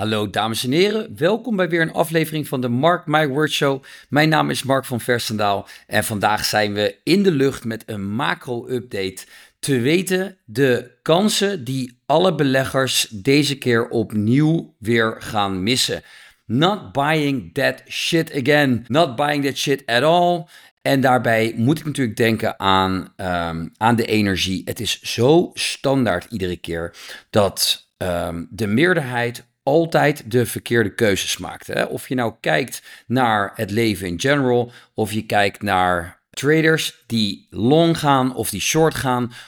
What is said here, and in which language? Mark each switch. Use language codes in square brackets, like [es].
[nl] Hallo dames en heren, welkom bij weer een aflevering van de Mark My Word Show. Mijn naam is Mark van Versendaal en vandaag zijn we in de lucht met een macro-update. Te weten de kansen die alle beleggers deze keer opnieuw weer gaan missen. [en] Not buying that shit again. Not buying that shit at all. [nl] En daarbij moet ik natuurlijk denken aan de energie. Het is zo standaard iedere keer dat de meerderheid altijd de verkeerde keuzes maakt. Hè? Of je nou kijkt naar het leven in general, of je kijkt naar traders die long gaan of die short gaan.